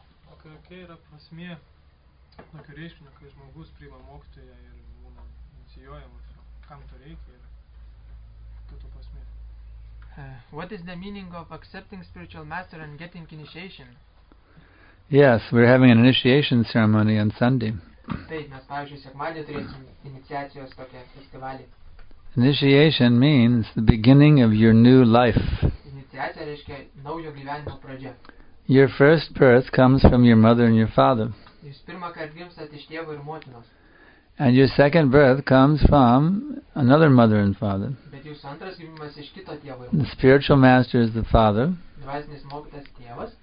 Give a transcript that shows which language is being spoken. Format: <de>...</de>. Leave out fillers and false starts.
<lt>Kokia yra prasmė, kokia reiškia, kai žmogus priima mokytoją ir būna inicijuojamas, kam to reikia ir kito prasmė?</lt> <en>What is the meaning of accepting spiritual master and getting initiation? Yes, we're having an initiation ceremony on Sunday.</en> <lt>Taip, mes, pavyzdžiui, sekmadį turėsim iniciacijos tokią festivalį.</lt> <en>Initiation means the beginning of your new life.</en> <lt>Iniciacija reiškia naujo gyvenimo pradžia.</lt> <en>Your first birth comes from your mother and your father.</en> <lt>Jūs pirmą kartą gimstat iš tėvo ir motinos.</lt> <en>And your second birth comes from another mother and father.</en> <lt>Bet jūs antras gimimas iš kito tėvo.</lt> <en>The spiritual master is the father.</en> <lt>Dvasinis mokytas tėvas.</lt>